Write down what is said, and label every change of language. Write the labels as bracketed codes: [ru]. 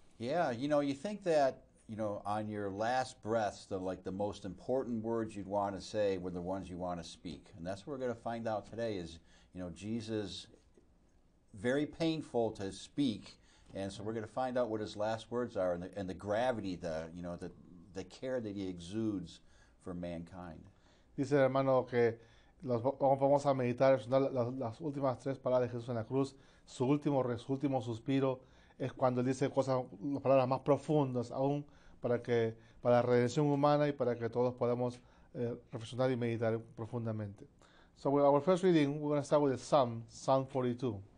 [en] Yeah, you think that, on your last breaths, the most important words you'd want to say were the ones you want to speak. And that's what we're going to find out today is, Jesus, very painful to speak. And so we're going to find out what his last words are and the gravity, the care that he exudes for mankind. [es] Dice el hermano que vamos a meditar las últimas tres palabras de Jesús en la cruz. Su último suspiro es cuando él dice cosas, las palabras más profundas aún para la redención humana y para que todos podamos reflexionar y meditar profundamente. [en] So with our first reading, we're going to start with Psalm 42.